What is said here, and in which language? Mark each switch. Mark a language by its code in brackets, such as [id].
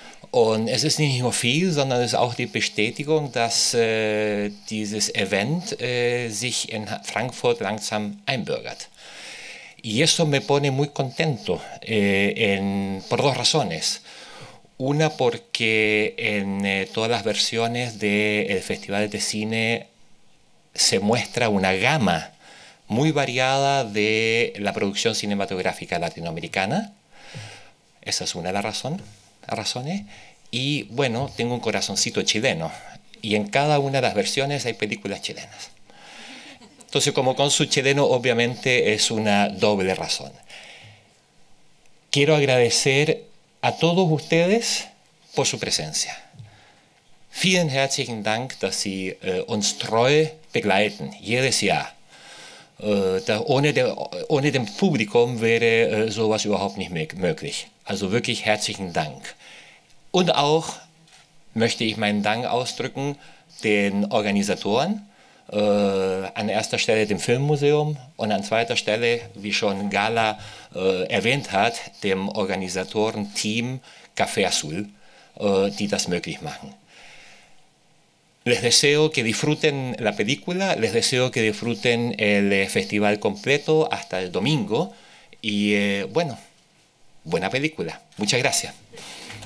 [de] Und es ist nicht nur viel, sondern es ist auch die Bestätigung, dass dieses Event sich in Frankfurt langsam einbürgert. [es] Y eso me pone muy contento por dos razones. Una, porque en todas las versiones del Festival de Cine se muestra una gama muy variada de la producción cinematográfica latinoamericana. Esa es una de las razones. Y bueno, tengo un corazoncito chileno. Y en cada una de las versiones hay películas chilenas. Entonces, como cónsul chileno, obviamente es una doble razón. Quiero agradecer a todos ustedes por su presencia. [de] Vielen herzlichen Dank, dass Sie uns treu begleiten, jedes Jahr. Ohne dem Publikum wäre sowas überhaupt nicht mehr möglich. Also wirklich herzlichen Dank. Und auch möchte ich meinen Dank ausdrücken den Organisatoren, an erster Stelle dem Filmmuseum und an zweiter Stelle, wie schon Gala erwähnt hat, dem Organisatorenteam Café Azul, die das möglich machen. [es] Les deseo que disfruten la película, les deseo que disfruten el festival completo hasta el domingo y bueno, buena película. Muchas gracias.